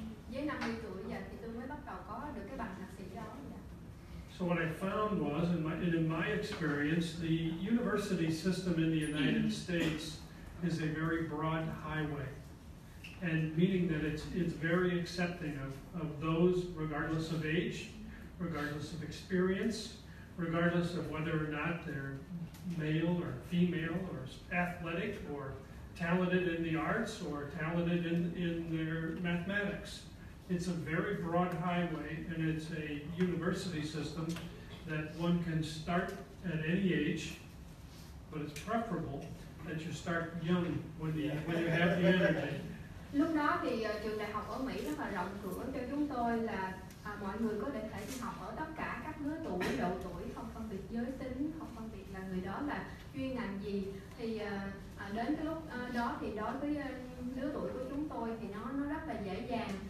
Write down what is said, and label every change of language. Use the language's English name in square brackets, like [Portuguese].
[Vietnamese] Dưới 50 tuổi giờ thì tôi mới bắt đầu có được cái bằng thạc sĩ đó. [English] So what I found was, in my experience, the university system in the United States is a very broad highway, and meaning that it's very accepting of those, regardless of age, regardless of experience, regardless of whether or not they're male or female or athletic or talented in the arts or talented in their mathematics. It's a very broad highway, and it's a university system that one can start at any age, but it's preferable that you start young when you have the energy. [Vietnamese] Lúc đó thì trường đại học ở Mỹ rất là rộng cửa cho chúng tôi, là mọi người có thể đi học ở tất cả các lứa tuổi, độ tuổi, không phân biệt giới tính, không phân biệt là người đó là chuyên ngành gì. Thì đến cái lúc đó thì đối với lứa tuổi của chúng tôi thì nó rất là dễ dàng.